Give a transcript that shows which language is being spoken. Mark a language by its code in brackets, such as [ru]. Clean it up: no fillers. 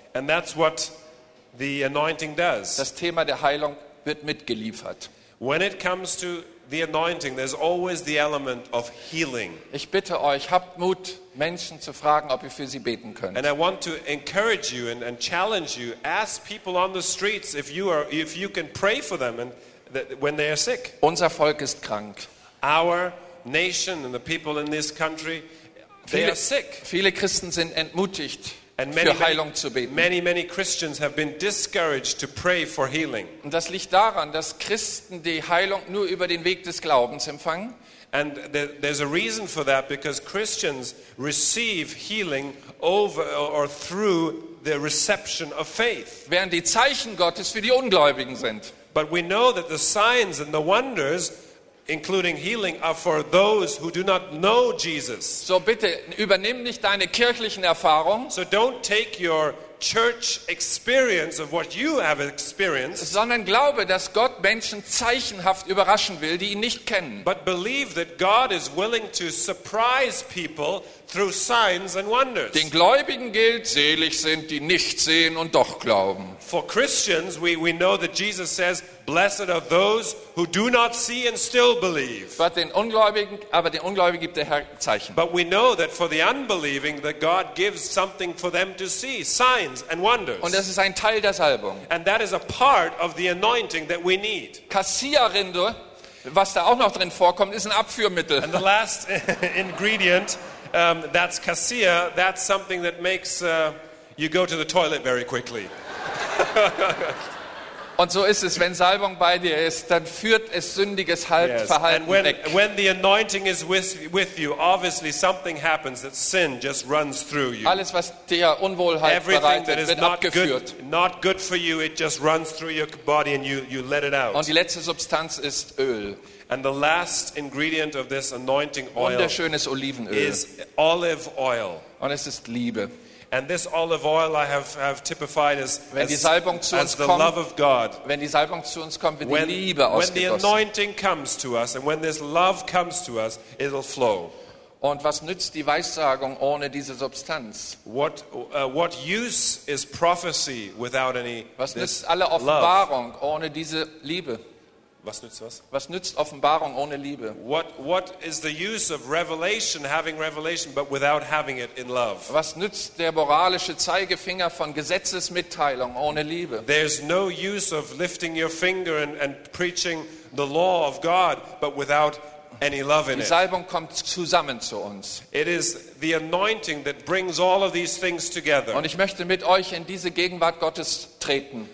[en] And that's what the anointing does. [de] Das Thema der Heilung wird mitgeliefert. [en] When it comes to the anointing, there's always the element of healing. [de] Ich bitte euch, habt Mut, Menschen zu fragen, ob ihr für sie beten könnt. [en] And I want to encourage you and challenge you. Ask people on the streets if you can pray for them and when they are sick. [de] Unser Volk ist krank. [en] Our nation and the people in this country, they are sick. [de] Viele Christen sind entmutigt. [en] And many, [de] für Heilung zu beten. [en] Many, many Christians have been discouraged to pray for healing. [de] Und das liegt daran, dass Christen die Heilung nur über den Weg des Glaubens empfangen. [en] And there's a reason for that, because Christians receive healing over or through the reception of faith. [de] Während die Zeichen Gottes für die Ungläubigen sind. [en] But we know that the signs and the wonders, including healing, are for those who do not know Jesus. [de] So bitte übernimm nicht deine kirchlichen Erfahrungen. [en] So don't take your church experience of what you have experienced. [de] Sondern glaube, dass Gott Menschen zeichenhaft überraschen will, die ihn nicht kennen. [en] But believe that God is willing to surprise people through signs and wonders. [de] Den Gläubigen gilt, selig sind die nicht sehen und doch glauben. [en] For Christians, we know that Jesus says, blessed are those who do not see and still believe. [de] Aber den Ungläubigen gibt der Herr Zeichen. [en] But we know that for the unbelieving, that God gives something for them to see, signs and wonders. [de] Und das ist ein Teil der Salbung. [en] And that is a part of the anointing that we need. [de] Kassia-Rinde, was da auch noch drin vorkommt, ist ein Abführmittel. [en] And the last ingredient, that's cassia, that's something that makes you go to the toilet very quickly. [de] Und so ist es, wenn Salbung bei dir ist, dann führt es sündiges Verhalten weg. [en] When the anointing is with you, obviously something happens that sin just runs through you. [de] Alles, was dir Unwohlheit bereitet, wird abgeführt. [en] Not good for you, it just runs through your body and you let it out. [de] Und die letzte Substanz ist Öl. [en] And the last ingredient of this anointing oil, [de] wunderschönes Olivenöl, [en] is olive oil. [de] Und es ist Liebe. [en] And this olive oil I have typified as, [de] wenn die Salbung zu uns [en] as the love of God. [de] Wenn die Salbung zu uns kommt, wird die Liebe ausgegossen. [en] When the anointing comes to us and when this love comes to us, it'll flow. [de] Und was nützt die Weissagung ohne diese Substanz? [en] What use is prophecy without any [de] was nützt alle Offenbarung [en] love? [de] Ohne diese Liebe? Was nützt was? Was nützt Offenbarung ohne Liebe? [en] What is the use of revelation, having revelation, but without having it in love? [de] Was nützt der moralische Zeigefinger von Gesetzesmitteilung ohne Liebe? [en] There's no use of lifting your finger and preaching the law of God, but without any love in it. [de] Die Salbung kommt zusammen zu uns. [en] It is the anointing that brings all of these things together. [de] Und ich möchte mit euch in diese Gegenwart Gottes treten.